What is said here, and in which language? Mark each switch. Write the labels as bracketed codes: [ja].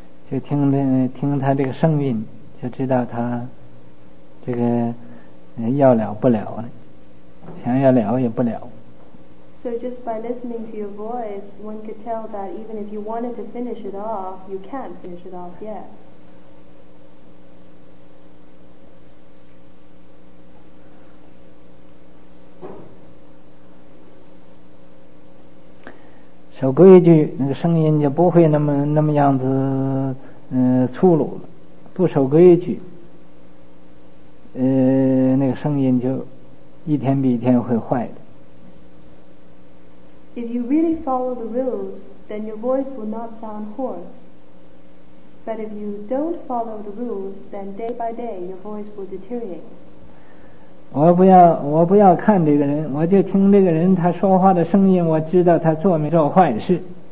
[zh] 就听的听他这个声音，就知道他这个要了不了了，想要了也不了。 [en] So just by listening to your voice, one could tell that even if you wanted to finish it off, you can't finish it off yet. [zh] 守规矩，那个声音就不会那么样子。粗鲁了，不守规矩，那个声音就一天比一天会坏的。 [en] If you really follow the rules, then your voice will not sound hoarse. But if you don't follow the rules, then day by day your voice will deteriorate. [zh] 我不要看这个人，我就听这个人他说话的声音，我知道他做没做坏事。